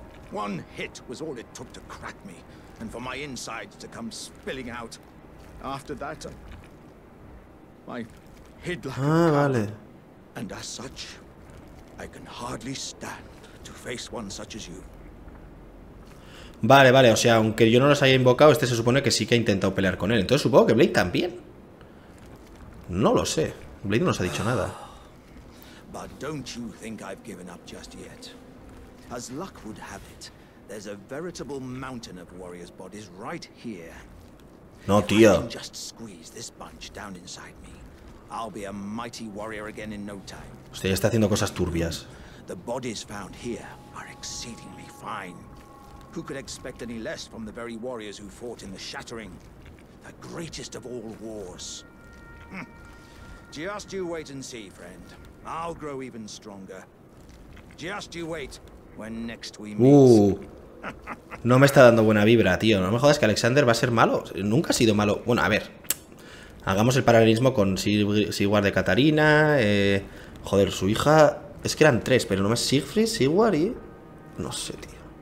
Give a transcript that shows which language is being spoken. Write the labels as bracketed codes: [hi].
[en] One hit was all it took to crack me, and for my insides to come spilling out. After that, I hid like [es] Vale. [en] And as such, I can hardly stand to face one such as you. [es] Vale, vale. O sea, aunque yo no los haya invocado, este se supone que sí que ha intentado pelear con él. Entonces supongo que Blade también. No lo sé. Blade no nos ha dicho nada. [en] But don't you think I've given up just yet? As luck would have it, there's a veritable mountain of warriors' bodies right here. [es] No, tío. [en] If I can just squeeze this bunch down inside me, I'll be a mighty warrior again in no time. [es] Usted ya está haciendo cosas turbias. [en] The bodies found here are exceedingly fine. Who could expect any less from the very warriors who fought in the Shattering, the greatest of all wars? Just you wait and see, friend. I'll grow even stronger. Just you wait when next we meet. [es] No me está dando buena vibra, tío. No me jodas que Alexander va a ser malo. Nunca ha sido malo. Bueno, a ver. Hagamos el paralelismo con Sigward de Katarina. Joder, su hija. Es que eran tres, pero no más Siegfried, Sigward y. No sé, tío.